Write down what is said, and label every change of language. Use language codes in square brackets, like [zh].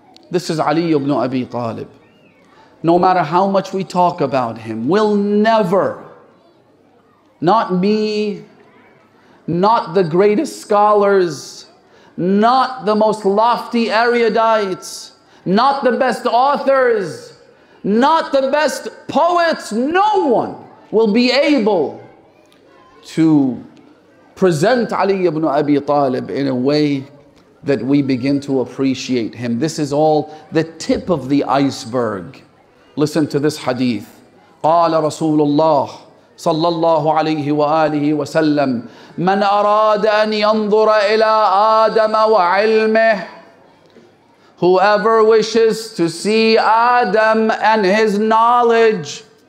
[en] This is Ali ibn Abi Talib. No matter how much we talk about him, we'll never, not me, not the greatest scholars, not the most lofty erudites, not the best authors, not the best poets, no one will be able to present Ali ibn Abi Talib in a way that we begin to appreciate him. This is all the tip of the iceberg. Listen to this hadith. [ar] قال رسول الله صلى الله عليه وآله وسلم من أراد أن ينظر إلى آدم وعلمه. [en] Whoever wishes to see Adam and his knowledge.